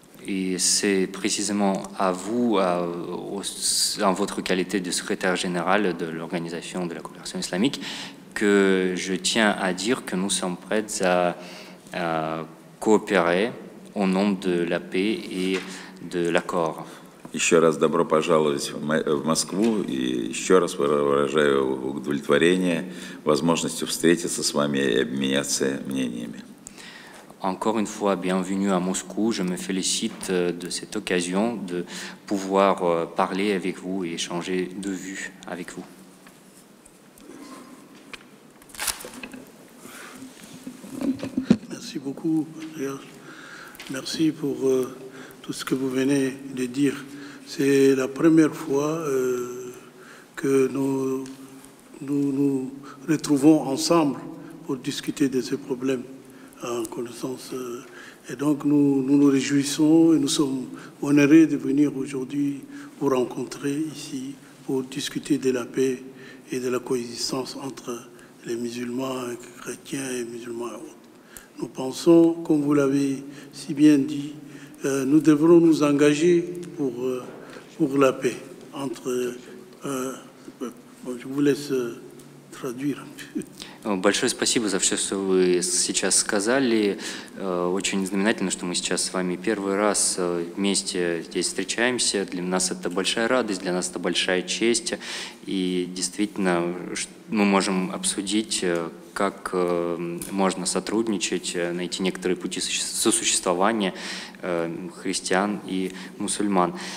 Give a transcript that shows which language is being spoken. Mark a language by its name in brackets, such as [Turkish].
[French] Et c'est précisément à vous, en votre qualité de secrétaire général de l'Organisation de la coopération islamique, que je tiens à dire que nous sommes prêts à coopérer au nom de la paix et de l'accord. [Russian] Еще раз добро пожаловать в Москву и еще раз выражаю удовлетворение возможностью встретиться с вами и обменяться мнениями. [French] Encore une fois, bienvenue à Moscou. Je me félicite de cette occasion de pouvoir parler avec vous et échanger de vues avec vous. Merci beaucoup. Merci pour tout ce que vous venez de dire. C'est la première fois que nous retrouvons ensemble pour discuter de ces problèmes. En connaissance. Et donc nous nous réjouissons et nous sommes honorés de venir aujourd'hui vous rencontrer ici pour discuter de la paix et de la coexistence entre les musulmans et chrétiens et musulmans et autres. Nous pensons, comme vous l'avez si bien dit, nous devrons nous engager pour la paix entre. Je vous laisse traduire. [Russian] Большое спасибо за все, что вы сейчас сказали. Очень знаменательно, что мы сейчас с вами первый раз вместе здесь встречаемся. Для нас это большая радость, для нас это большая честь. И действительно, мы можем обсудить, как можно сотрудничать, найти некоторые пути сосуществования христиан и мусульман.